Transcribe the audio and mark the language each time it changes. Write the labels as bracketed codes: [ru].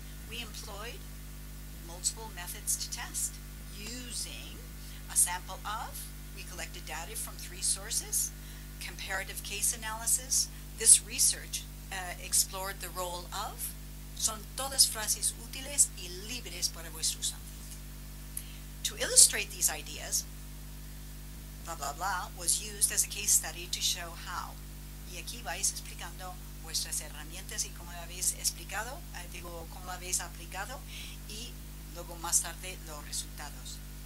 [en] We employed multiple methods to test using a sample of, we collected data from three sources, comparative case analysis, this research explored the role of. [es] Son todas frases útiles y libres para vuestro uso. [en] To illustrate these ideas, blah, blah, blah, was used as a case study to show how. [es] Y aquí vais explicando vuestras herramientas y cómo habéis explicado, cómo lo habéis aplicado y luego más tarde los resultados.